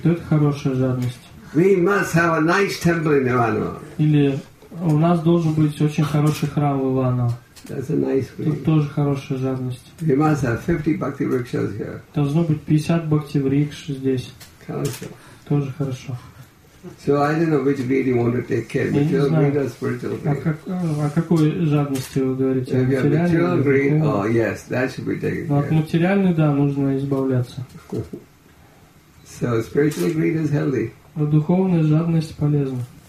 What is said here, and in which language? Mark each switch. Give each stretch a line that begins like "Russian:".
Russian: То это хорошая жадность.
English: We must have a nice temple in Ivanova.
Russian: Или у нас должен быть очень хороший храм в Иваново.
English: That's a nice greed.
Russian: Тут тоже хорошая жадность.
English: We must have 50 bhakti rikshas here.
Russian: Должно быть 50 бхакти рикш здесь. Хорошо. Тоже хорошо.
English: So I don't know which greed you want to take care of. Material greed or spiritual greed?
Russian: О какой жадности вы говорите?
English: If you have material greed, oh yes, that should be taken care of.
Russian: От материальной, да, нужно избавляться.
English: So spiritual greed is healthy.
Russian: Но духовная жадность полезна.